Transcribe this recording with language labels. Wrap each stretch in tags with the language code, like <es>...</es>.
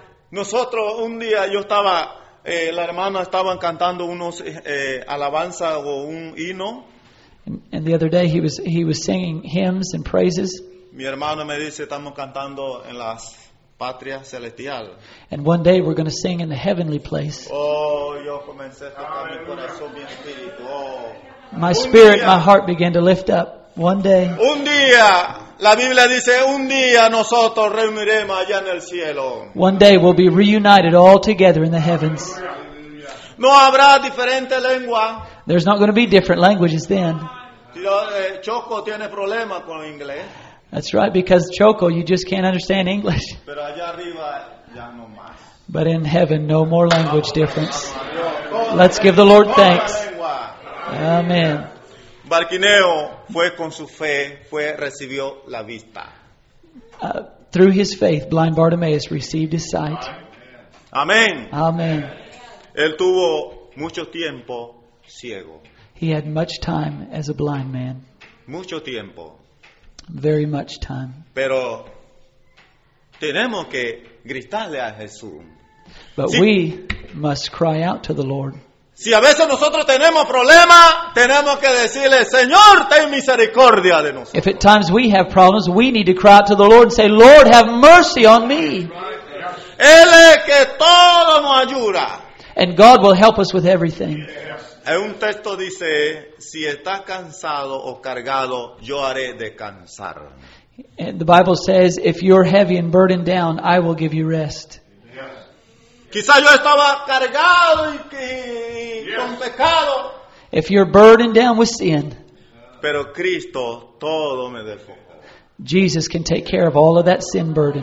<es>Nosotros, un día, yo estaba... la hermana estaba cantando unos alabanza o un himno.</es> <en>And the other day he was singing hymns and praises.</en> <es>Mi hermano me dice estamos cantando en las patria celestial.</es> <en>And one day we're going to sing in the heavenly place.</en> <es>Oh, yo comencé a tocar mi corazón, mi espíritu. Oh.</es> <en>My spirit, my heart began to lift up. One day.</en> <es>Un día. La Biblia dice, un día nosotros reuniremos allá en el cielo.</es> <en>One day we'll be reunited all together in the heavens.</en> <es>No habrá diferente lengua.</es> <en>There's not going to be different languages then.</en> <es>Choco tiene problema con inglés.</es> <en>That's right, because Choco, you just can't understand English.</en> <es>Pero allá arriba, ya no más.</es> <en>But in heaven, no more language difference. Let's give the Lord thanks. Amen.</en> <es>Bartimeo fue con su fe, fue, recibió la vista.</es> <en>Through his faith, blind Bartimaeus received his sight. Amen. Amen.</en> <es>Él tuvo mucho tiempo ciego.</es> <en>He had much time as a blind man.</en> <es>Mucho tiempo.</es> <en>Very much time.</en> <es>Pero tenemos que gritarle a Jesús.</es> <en>But si, we must cry out to the Lord.</en> <es>Si a veces nosotros tenemos problemas, tenemos que decirle, Señor, ten misericordia de nosotros.</es> <en>If at times we have problems, we need to cry out to the Lord and say, Lord, have mercy on me.</en> <es>Él es que todo nos ayuda.</es> <en>And God will help us with everything.</en> <es>En un texto dice, si estás cansado o cargado, yo haré descansar.</es> <en>The Bible says, if you're heavy and burdened down, I will give you rest. Yes.</en> <es>Quizás yo estaba cargado y que, yes, con pecado.</es> <en>If you're burdened down with sin.</en> <es>Pero Cristo todo me dejó.</es> <en>Jesus can take care of all of that sin burden.</en>